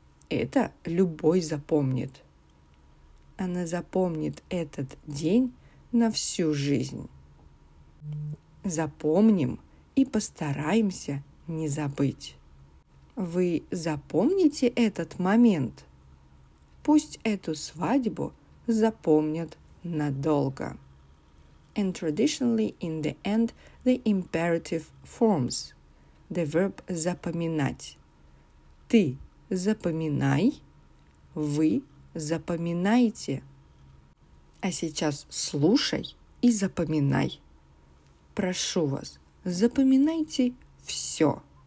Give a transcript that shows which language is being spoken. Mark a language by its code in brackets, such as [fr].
[ru] Это любой запомнит. Она запомнит этот день на всю жизнь. Запомним и постараемся не забыть. Вы запомните этот момент? Пусть эту свадьбу запомнят надолго. [en] And traditionally, in the end, the imperative forms. The verb запоминать. [ru] Ты запоминай, вы запоминайте. А сейчас слушай и запоминай. Прошу вас, запоминайте все.